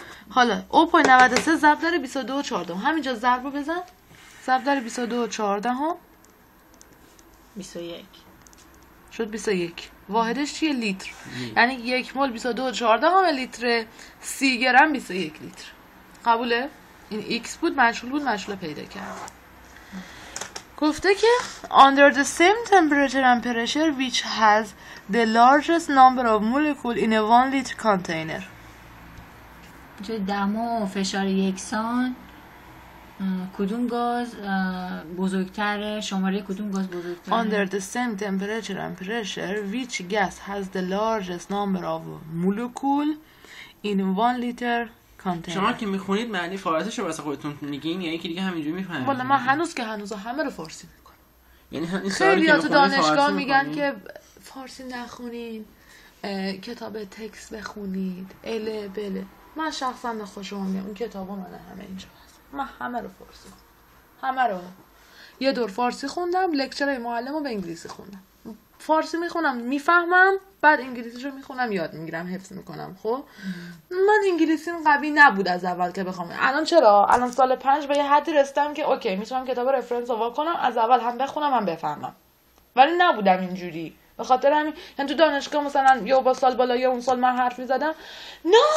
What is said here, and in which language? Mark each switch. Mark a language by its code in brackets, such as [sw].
[fa] حالا او پای 93 ضرب داره 22 و 14 همینجا ضرب رو بزن ضرب داره 22 و 14 ها 21 شد 21 واحدش چیه؟ لیتر. یعنی یک مول 22 و 14 همه لیتره 30 گرم 21 لیتر. قبوله؟ این ایکس بود مشغول بود مشغول پیدا کرد. گفته که [en] Under the same temperature and pressure which has the largest number of molecules in a 1 liter container. [fa] چه دما و فشار یکسان کدوم گاز بزرگتره؟ شماره کدوم گاز بزرگتره؟ [en] Under the same temperature and pressure, which gas has the largest number of molecule in one liter container? [fa] شما که میخونید معنی فارسیش رو واسه خودتون میگین یا یکی دیگه همینجوری میفهمید؟ والا من هنوز که هنوز همه رو فارسی میکنم. یعنی خیلی ها تو دانشگاه میگن که فارسی نخونید، کتاب تکست بخونید، اله بله. من شخصا به خوشم میام اون کتابا من همه اینجا. ما همه رو فارسی همه رو یه دور فارسی خوندم لکچرهای معلم رو به انگلیسی خوندم فارسی میخونم میفهمم بعد انگلیسیشو میخونم یاد میگیرم حفظ میکنم خب من انگلیسیم قوی نبود از اول که بخوام الان چرا الان سال 5 به یه حدی رسیدم که اوکی میتونم کتاب رفرنس رو وا کنم از اول هم بخونم هم بفهمم ولی نبودم اینجوری به خاطر همین یعنی تو دانشگاه مثلا یا با سال بالا یا اون سال من حرف میزدم نه